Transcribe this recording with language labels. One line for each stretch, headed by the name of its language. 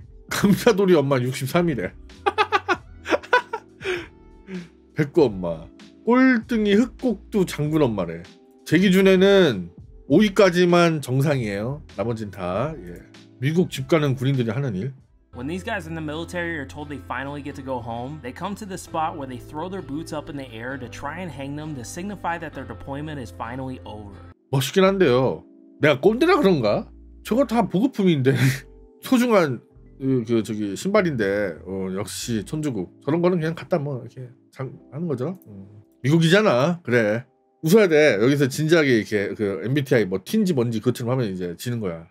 Korean: 감자돌이 엄마 63위래. 백구 엄마. 꼴등이 흑곡두 장군 엄마래. 제 기준에는 5위까지만 정상이에요. 나머진 다 예. 미국 집 가는 군인들이 하는 일.
English: When these guys in the military are told they finally get to go home, they come to the spot where they throw their boots up in the air to try and hang them to signify that their deployment is finally over.
Korean: 멋있긴 한데요. 내가 꼰대라 그런가? 저거 다 보급품인데 소중한 그 저기 신발인데 역시 천주국. 저런 거는 그냥 갖다 뭐 이렇게 하는 거죠. 미국이잖아. 그래 웃어야 돼. 여기서 진지하게 이렇게 그 MBTI 뭐 T인지 뭔지 그것처럼 하면 이제 지는 거야.